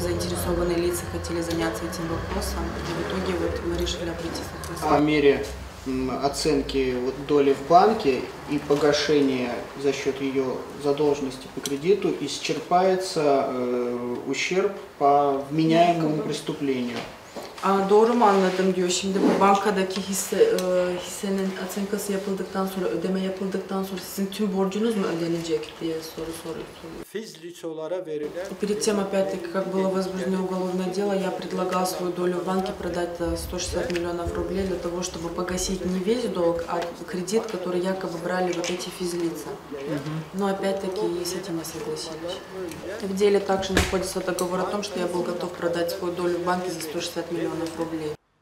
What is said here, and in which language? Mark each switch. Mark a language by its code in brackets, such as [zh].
[ru] Заинтересованные лица хотели заняться этим вопросом. И в итоге вот мы решили обратиться в Краснодар. По мере оценки доли в банке и погашения за счет ее задолженности по кредиту исчерпается ущерб по вменяемому преступлению. [tr] Doğru mu anladım diyor şimdi bu bankadaki hisse hissenin оценкасы yapıldıktan sonra ödeme yapıldıktan sonra sizin tüm borcunuz mu ödenecek diye soru soruyor. [ru] Перед тем опять-таки как было возбуждено уголовное дело, я предлагал свою долю в банке продать 160 миллионов рублей для того, чтобы погасить не весь долг, а кредит, который якобы брали вот эти физлица. Но опять-таки и с этим не согласились. В деле также находится договор о том, что я был готов продать свою долю в банке за 160 миллионов рублей.